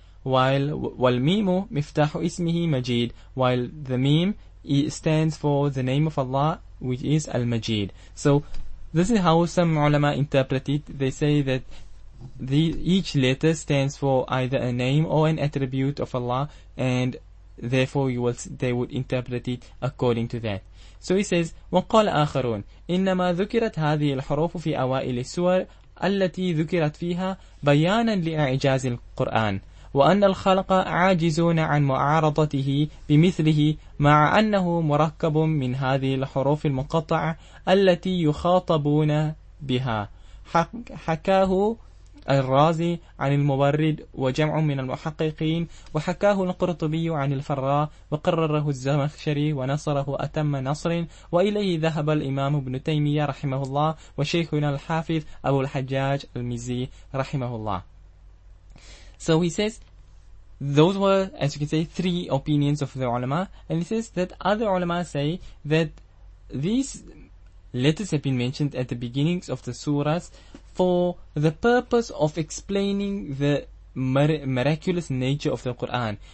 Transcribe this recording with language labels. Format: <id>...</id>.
<ar>While وَالْمِيمُ مِفْتَاحُ إِسْمِهِ مَجِيد.</ar> <en>While the mim stands for the name of Allah, which is Al-Majid. So this is how some ulama interpret it. They say that each letter stands for either a name or an attribute of Allah, and therefore they would interpret it according to that. So he says,</en> <ar>وَقَالَ آخَرُونَ إِنَّمَا ذُكِرَتْ هَذِهِ الْحُرُوفُ فِي أَوَائِلِ السُّورِ الَّتِي ذُكِرَتْ فِيهَا بَيَانًا لِإِعْجَازِ الْقُرْآنِ وَأَنَّ الْخَلْقَ عَاجِزُونَ عَنْ مُعَارَضَتِهِ بِمِثْلِهِ مَعَ أَنَّهُ مُرَكَّبٌ مِّنْ هَذِهِ الْحُرُوفِ الْمُقَطَّعَةِ الَّتِي يُخَاطَبُونَ بِهَا. حكاه الرازي عن المبرد وجمع من المحققين وحكاه القرطبي عن الفراء وقرره الزمخشري ونصره أتم نصر وإليه ذهب الإمام ابن تيمية رحمه الله وشيخنا الحافظ أبو الحجاج المزي رحمه الله.</ar> <en>So he says, those were, as you can say, three opinions of the ulama. And he says that other ulama say that these letters have been mentioned at the beginnings of the surahs for the purpose of explaining the miraculous nature of the Quran.</en>